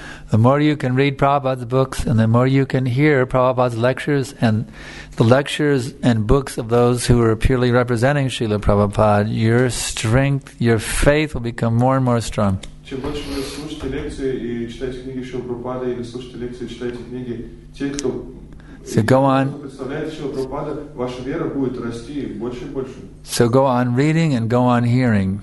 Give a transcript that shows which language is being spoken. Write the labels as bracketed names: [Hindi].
[English] The more you can read Prabhupada's books and the more you can hear Prabhupada's lectures and the lectures and books of those who are purely representing Srila Prabhupada, your strength, your faith will become more and more strong. [Russian] Чем больше вы слушаете лекции и читаете книги Шрилы Прабхупады или слушаете лекции и читаете книги те, кто [English] So go on. [Russian] Ваша вера будет расти больше и больше. [English] So go on reading and go on hearing.